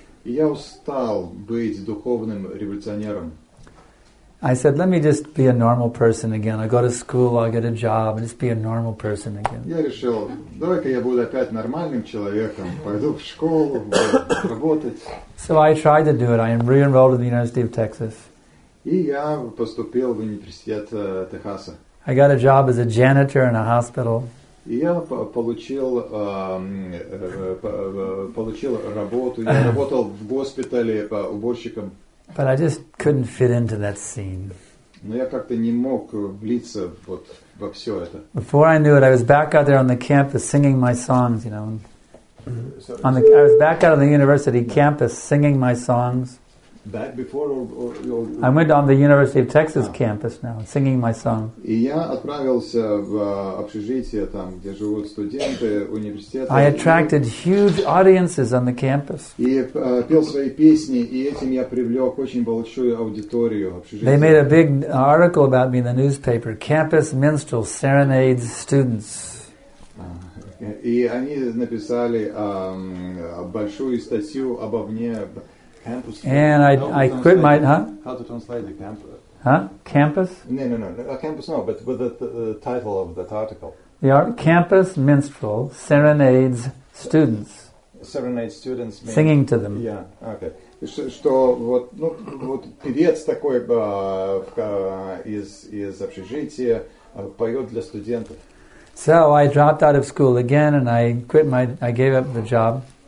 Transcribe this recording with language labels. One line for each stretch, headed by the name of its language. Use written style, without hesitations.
Russian: Я устал быть духовным революционером.
English: I said, let me just be a normal person again. I'll go to school, I'll get a job, and just be a normal person again.
Russian: Я решил, давай-ка я буду опять нормальным человеком. Пойду в школу, буду работать.
English: So I tried to do it. I am re-enrolled in the University of Texas.
Russian: И я поступил в университет Техаса.
English: I got a job as a janitor in a hospital.
Russian: И я получил работу. Я работал в госпитале уборщиком.
English: But I just couldn't fit into that scene.
Russian: Но я как-то не мог влиться вот во все это.
English: Before I knew it, I was back out there on the campus singing my songs, you know. I was back out on the university campus singing my songs. Back before or I went on the University of Texas campus now, singing my songs.
Russian: И я отправился в общежитие там, где живут студенты университета.
English: I attracted huge audiences on the campus.
Russian: И пел свои песни, и этим я привлек очень большую аудиторию общежития.
English: They made a big article about me in the newspaper. Campus minstrel serenades students.
Russian: И они написали большую статью обо мне.
English: And I quit my... Huh? How to translate the campus? Huh? Campus? No. Campus, no. But with the title of that article. The Campus Minstrel Serenades Students. Serenades Students. Mean, singing to them. Yeah, okay.
Russian: Что вот, ну, вот певец такой из общежития поет для студентов.
English: So I dropped out of school again and I gave up the job.